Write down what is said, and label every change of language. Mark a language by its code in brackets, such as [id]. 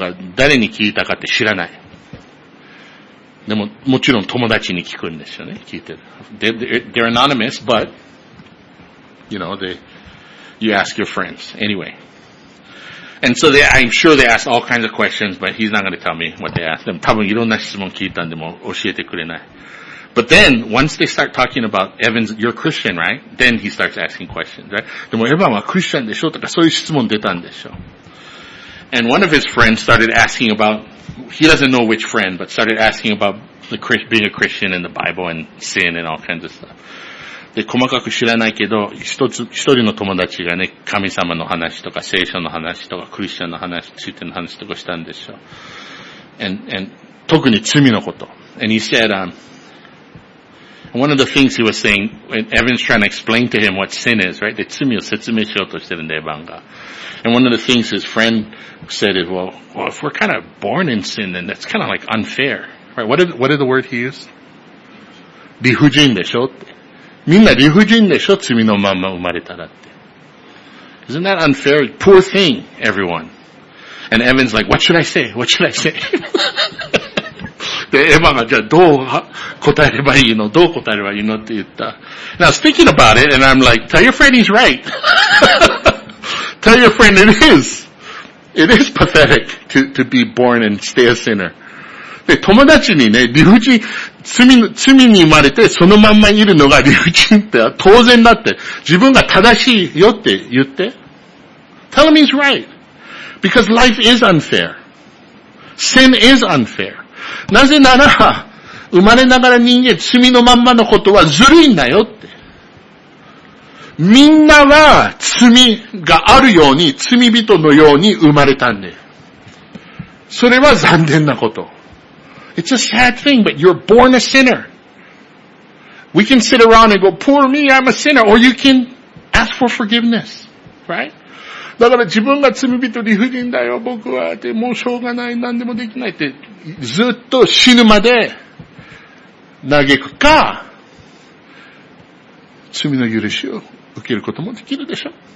[ja] だから誰に聞いたかって知らない。でも、もちろん友達に聞くんですよね、聞いてる。 [en] They're anonymous, but, you know, you ask your friends. Anyway. And so I'm sure they asked all kinds of questions, but he's not going to tell me what they asked them. [ja] 多分いろんな質問聞いたんでも教えてくれない。 [en] But then, once they start talking about Evan's, you're Christian, right? Then he starts asking questions, right? [ja] でもエヴァンはクリスチャンでしょとかそういう質問出たんでしょ。 [en] And one of his friends started asking about, he doesn't know which friend, but started asking about being a Christian and the Bible and sin and all kinds of stuff. [ja] で、細かく知らないけど、一人の友達がね、神様の話とか聖書の話とかクリスチャンの話についての話とかしたんでしょ。 [en] And [ja] 特に罪のこと。 [en] And he said, One of the things he was saying, when Evan's trying to explain to him what sin is, right? [ja] で、罪を説明しようとしてるんで、エヴァンが。 [en] And one of the things his friend said is, well, if we're kind of born in sin, then that's kind of like unfair. Right? What did the word he use? [ja] 理不尽でしょって。みんな理不尽でしょ罪のまま生まれたらって。 [en] Isn't that unfair? Poor thing, everyone. And Evan's like, what should I say? What should I say? [ja] で、エヴァンがじゃあどう答えればいいのどう答えればいいのって言った。 [en] Now, speaking about it, and I'm like, tell your friend he's right. Tell your friend it is. It is pathetic to be born and stay a sinner. [ja] で、友達にね、理不尽、罪に生まれてそのまんまいるのが理不尽って当然だって、自分が正しいよって言って。 [en] Tell him he's right. Because life is unfair. Sin is unfair. [ja] なぜなら、生まれながら人間、罪のまんまのことはずるいんだよって。みんなは罪があるように、罪人のように生まれたんで。それは残念なこと。 [en] It's a sad thing, but you're born a sinner. We can sit around and go, poor me, I'm a sinner. Or you can ask for forgiveness, right? [ja] だから自分が罪人理不尽だよ、僕は。でもうしょうがない、何でもできないって、ずっと死ぬまで嘆くか、罪の許しを受けることもできるでしょ。